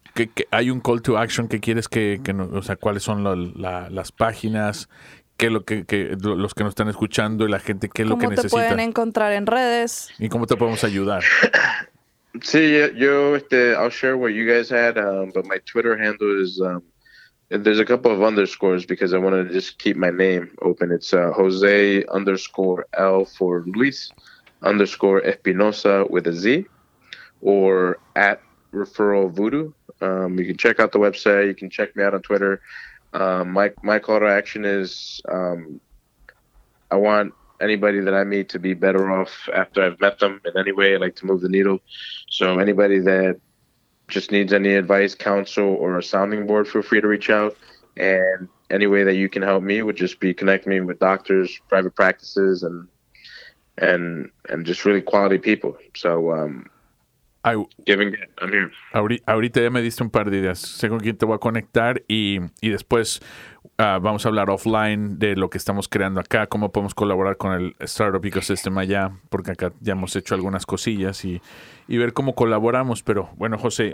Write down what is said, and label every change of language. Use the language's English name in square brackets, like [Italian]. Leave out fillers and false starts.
[Spanish] ¿Que hay un [English] call to action [Spanish] que quieres que no, o sea, cuáles son las páginas, qué lo que los que nos están escuchando y la gente, qué es lo que necesita? ¿Cómo te pueden encontrar en redes? ¿Y cómo te podemos ayudar? Sí, yo [English] I'll share what you guys had, but my Twitter handle is there's a couple of underscores because I want to just keep my name open. It's Jose underscore L for Luis underscore Espinoza with a Z, or at Referrall Voodoo. You can check out the website. You can check me out on Twitter. My call to action is I want anybody that I meet to be better off after I've met them in any way. I like to move the needle. So anybody that just needs any advice, counsel, or a sounding board, feel free to reach out. And any way that you can help me would just be connect me with doctors, private practices, and just really quality people. So, [Spanish] Ahorita ya me diste un par de ideas. Sé con quién te voy a conectar y después vamos a hablar offline de lo que estamos creando acá, cómo podemos colaborar con el Startup Ecosystem allá, porque acá ya hemos hecho algunas cosillas y ver cómo colaboramos. Pero bueno, José,